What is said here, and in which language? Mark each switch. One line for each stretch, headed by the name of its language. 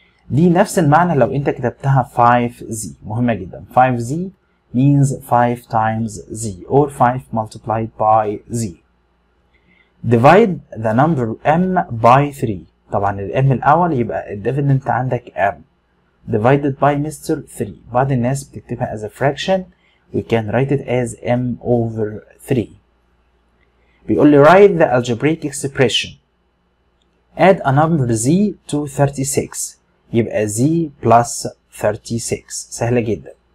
Arabic: دي نفس المعنى لو انت كتبتها 5z. مهمة جدا,
English: 5z means 5 times z or 5 multiplied by z. Divide the number m by 3.
Arabic: طبعا ال m الاول, يبقى الديفيدنت عندك m.
English: Divided by mister 3.
Arabic: بعض الناس بتكتبها
English: as a fraction, we can write it as m over 3.
Arabic: بيقول لي
English: write the algebraic expression. Add a number z to 36. يبقى z plus 36.
Arabic: سهلة جدا.